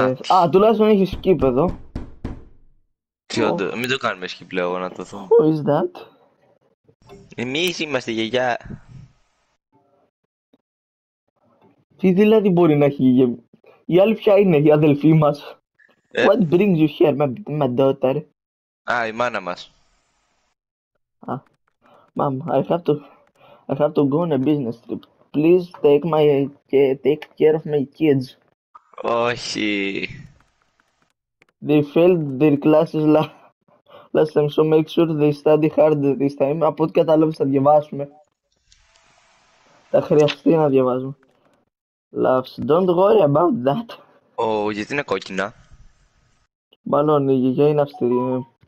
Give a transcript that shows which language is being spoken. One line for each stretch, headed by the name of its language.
Greek: Α, τουλάχιστον έχει skip εδώ. Τι μην το κάνουμε σκι πλέον να το δω.
English: Who is that?
Greek: Εμείς είμαστε γιαγιά. Τι δηλαδή μπορεί να έχει γεμ... Η άλλη ποια είναι, η αδελφή μας?
English: What brings you here, my daughter?
Greek: Η μάνα μας.
English: Mom, I have to go on a business trip. Please take care of my kids.
Greek: Όχι.
English: They failed their classes last time, so make sure they study hard this time.
Greek: Από ό,τι κατάλαβες θα διαβάσουμε. Θα χρειαστεί να διαβάζουμε.
English: Loves, don't worry about that.
Greek: Γιατί είναι κόκκινα. Μάλλον η γιαγιά είναι αυστηρή.